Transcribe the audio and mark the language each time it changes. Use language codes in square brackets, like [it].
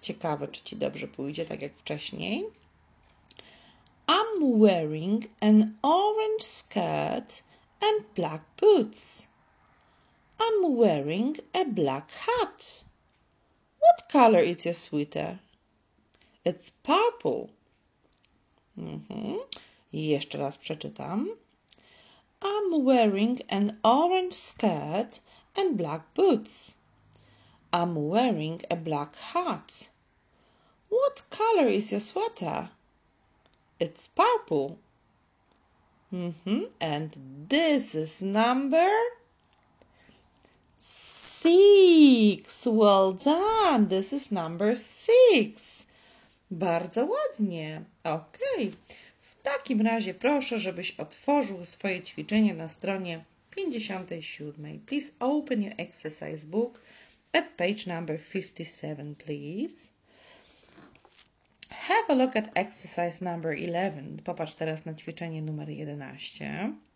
[pl] Ciekawe, czy ci dobrze pójdzie, tak jak wcześniej. [en] I'm wearing an orange skirt and black boots. I'm wearing a black hat. What color is your sweater? It's purple. [pl] Jeszcze raz przeczytam. [en] I'm wearing an orange skirt and black boots. I'm wearing a black hat. What color is your sweater? It's purple. And this is number 6. Well done. This is number 6. [pl] Bardzo ładnie. Ok. W takim razie proszę, żebyś otworzył swoje ćwiczenie na stronie 57. [en] Please open your exercise book at page number 57, please. Have a look at exercise number 11. [pl] Popatrz teraz na ćwiczenie numer 11.